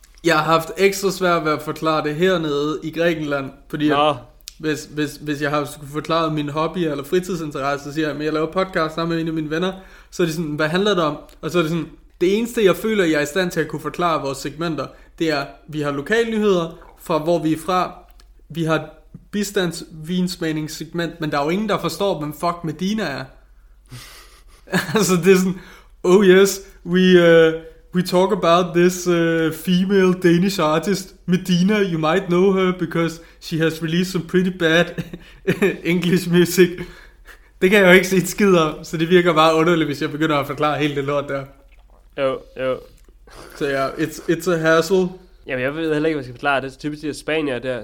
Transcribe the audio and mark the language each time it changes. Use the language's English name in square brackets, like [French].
[Danish] Jeg har haft ekstra svært ved at forklare det hernede i Grækenland, fordi hvis jeg har skulle forklare min hobby eller fritidsinteresse, så siger jeg, at jeg laver podcast sammen med en af mine venner, så er det sådan, hvad handler det om? Og så er det sådan, det eneste, jeg føler, jeg er i stand til at kunne forklare vores segmenter, det er, vi har lokalnyheder fra, hvor vi er fra, vi har bistandsvinsmagningssegment, men der er jo ingen, der forstår, hvem fuck Medina er. Altså, det er sådan, [English] oh yes, we talk about this female Danish artist, Medina, you might know her, because she has released some pretty bad English music. [Danish] Det kan jeg jo ikke se et skid om, så det virker bare underligt, hvis jeg begynder at forklare hele det lort der. Jo. Så ja, [English] it's a hassle. [Danish] Jamen, jeg ved heller ikke, hvad jeg skal forklare. Det er typisk de spanier der.